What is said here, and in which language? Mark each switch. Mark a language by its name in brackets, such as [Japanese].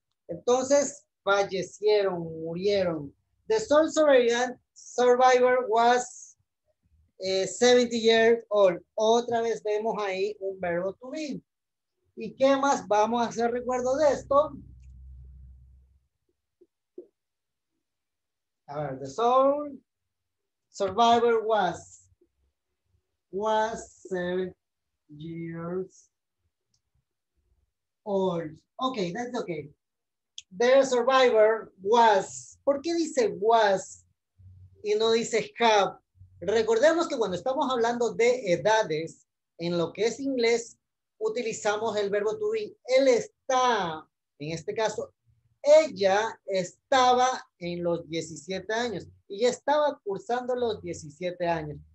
[Spanish] Entonces, fallecieron, murieron. [English] The sole survivor was 70 years old. [Spanish] Otra vez vemos ahí un verbo to be. ¿Y qué más vamos a hacer recuerdo de esto? A ver, [English] the sole survivor was 70 years old. Ok, that's okay. The survivor was. [Spanish] ¿Por qué dice was y no dice have? Recordemos que cuando estamos hablando de edades, en lo que es inglés, utilizamos el verbo to be. Él está, en este caso, ella estaba en los 17 años y estaba cursando los 17 años.